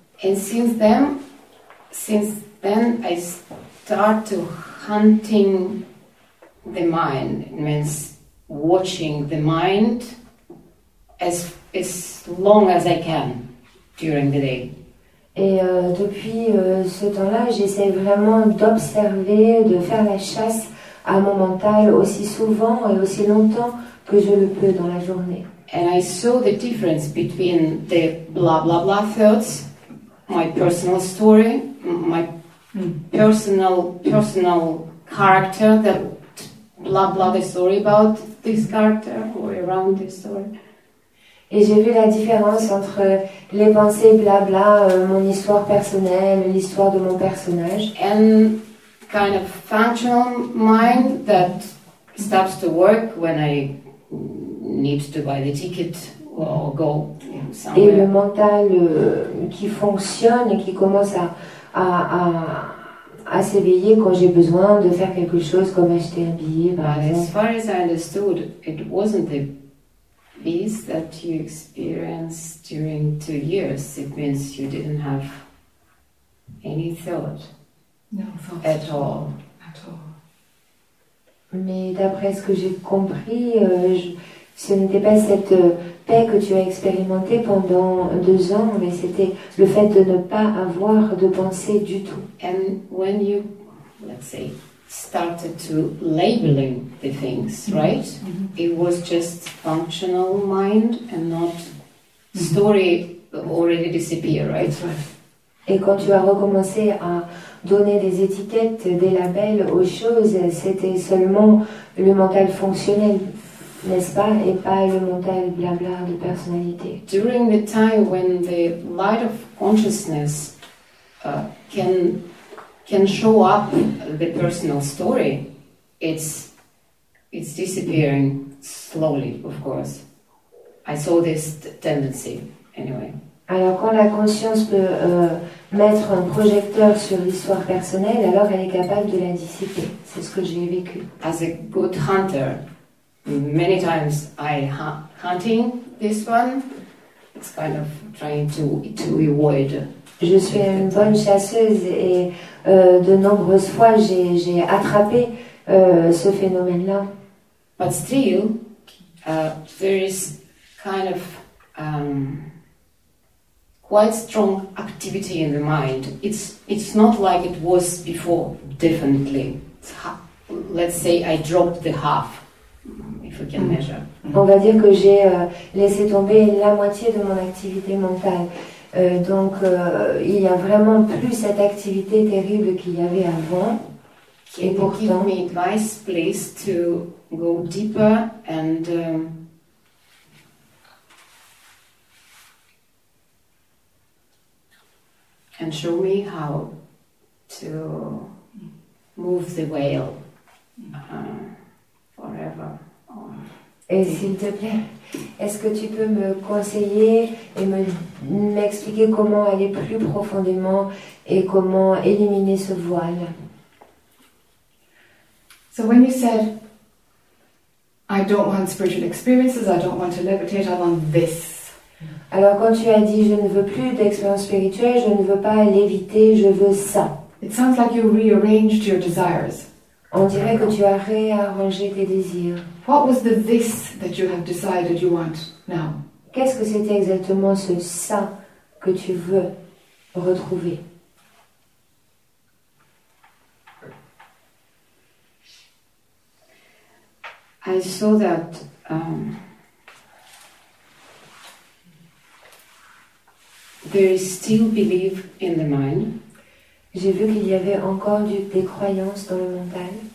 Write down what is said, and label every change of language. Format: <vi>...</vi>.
<en>And since then, I start to hunting the mind. It means watching the mind as long as I can during the day.</en> <fr>Et depuis ce temps-là, j'essaie vraiment d'observer, de faire la chasse à mon mental aussi souvent et aussi longtemps que je le peux dans la journée.</fr> <en>And I saw the difference between the blah blah blah thoughts, my personal story, my personal character, that blah blah the story about this character or around this story.</en> <fr>Et j'ai vu la différence entre les pensées blabla, mon histoire personnelle, l'histoire de mon personnage.</fr> <en>And kind of functional mind that stops to work when I need to buy the ticket or go somewhere.</en> <fr>Et le mental qui fonctionne et qui commence à s'éveiller quand j'ai besoin de faire quelque chose comme acheter un billet, par exemple.</fr> <en>As far as I understood, it wasn't the peace that you experienced during 2 years, it means you didn't have any thought. No thoughts at all.</en> <fr>Mais d'après ce que j'ai compris, ce n'était pas cette paix que tu as expérimentée pendant 2 ans, mais c'était le fait de ne pas avoir de pensée du tout.</fr> <en>And when you, let's say, started to labeling the things, right? Mm-hmm. It was just functional mind and not story already disappear, right? That's right.</en> <fr>Et quand tu as recommencé à donner des étiquettes, des labels aux choses, c'était seulement le mental fonctionnel, n'est-ce pas, et pas le mental blabla de personnalité.</fr> <en>During the time when the light of consciousness can show up the personal story, it's disappearing slowly, of course. I saw this tendency, anyway.</en> <fr>Alors quand la conscience peut mettre un projecteur sur l'histoire personnelle, alors elle est capable de la dissiper. C'est ce que j'ai vécu.</fr> <en>As a good hunter, many times I hunting this one, it's kind of trying to avoid.</en> <fr>Je suis une bonne chasseuse et de nombreuses fois j'ai attrapé ce phénomène-là.</fr> <en>But still, there is kind of quite strong activity in the mind. It's not like it was before, definitely. Let's say I dropped the half, if we can measure.</en> <fr>On va dire que j'ai laissé tomber la moitié de mon activité mentale. Donc, il y a vraiment plus cette activité terrible qu'il y avait avant.</fr> <en>Can</en> <fr>et pourtant,</fr> <en>you give me advice, please, to go deeper and and show me how to move the whale forever.</en> <fr>Et s'il te plaît, est-ce que tu peux me conseiller et m'expliquer comment aller plus profondément et comment éliminer ce voile?</fr> <en>So when you said, I don't want spiritual experiences, I don't want to levitate, I want this.</en> <fr>Alors quand tu as dit, je ne veux plus d'expérience spirituelle, je ne veux pas léviter, je veux ça.</fr> <en>It sounds like you rearranged your desires.</en> <fr>On dirait que tu as réarrangé tes désirs.</fr> <en>What was the this that you have decided you want now?</en> <fr>Qu'est-ce que c'était exactement ce ça que tu veux retrouver?</fr> <en>I saw that there is still belief in the mind.</en> <fr>J'ai vu qu'il y avait encore des croyances dans le mental.</fr>